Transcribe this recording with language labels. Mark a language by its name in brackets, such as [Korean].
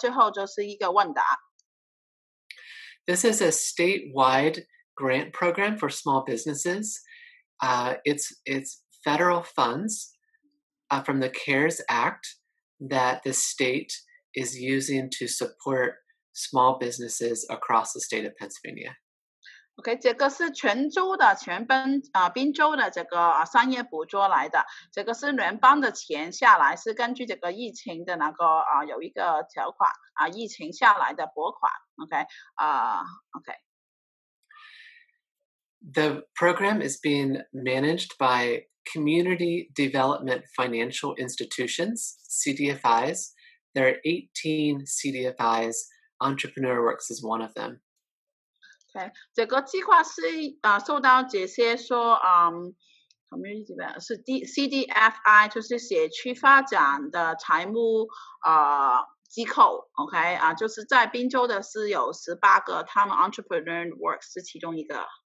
[Chinese] 他会就是很就是一个大概的去让大家知道这个补助金的计划是怎么样，也他呀到最后也会看一看这个申请表是怎么填的，然后到最后就是一个问答。 [English] This is a statewide grant program for small businesses. It's federal funds from the CARES Act that the state is using to support small businesses across the state of Pennsylvania. [Chinese] Okay, 这个是全州的全州的这个商业补助来的，这个是联邦的钱下来，是根据这个疫情的那个有一个条款，疫情下来的拨款。Okay. [English] The program is being managed by community development financial institutions, CDFIs. There are 18 CDFIs. Entrepreneur Works is one of them. Okay. [Chinese] 这个计划是受到这些说 community development 是 CDFI 就是社区发展的财务 机构 okay 就是在宾州的是有18个 他们 Entrepreneur Works 是其中一个。